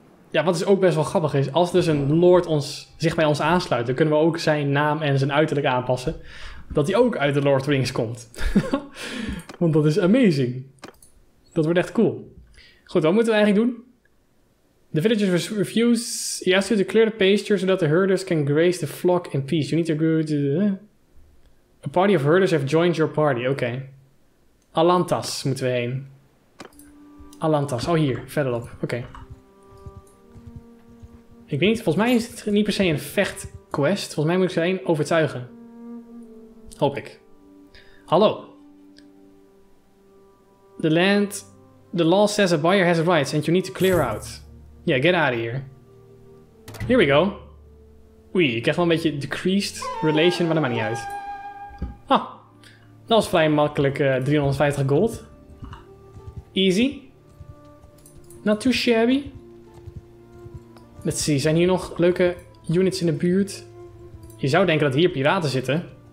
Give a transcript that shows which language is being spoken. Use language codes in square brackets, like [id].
[nl] Ja, wat is ook best wel grappig is, als dus een Lord zich bij ons aansluit, dan kunnen we ook zijn naam en zijn uiterlijk aanpassen. Dat hij ook uit de Lord Wings komt. Want dat is amazing. Dat wordt echt cool. Goed, wat moeten we eigenlijk doen? [en] The villagers refuse. He asks you to clear the pasture so that the herders can graze the flock in peace. You need to agree to... A party of herders have joined your party. [nl] Oké. Okay. Alantas moeten we heen. Alantas. Oh, hier. Verderop. Oké. Okay. Ik weet niet. Volgens mij is het niet per se een vechtquest. Volgens mij moet ik ze alleen overtuigen. Hoop ik. Hallo. [en] The land... The law says a buyer has rights and you need to clear out. Ja, yeah, get out of here. Here we go. [nl] Oei, ik krijg wel een beetje decreased relation, maar dat maakt niet uit. Ah, dat was vrij makkelijk 350 gold. [en] Easy. Not too shabby. Let's see, [nl] zijn hier nog leuke units in de buurt? Je zou denken dat hier piraten zitten.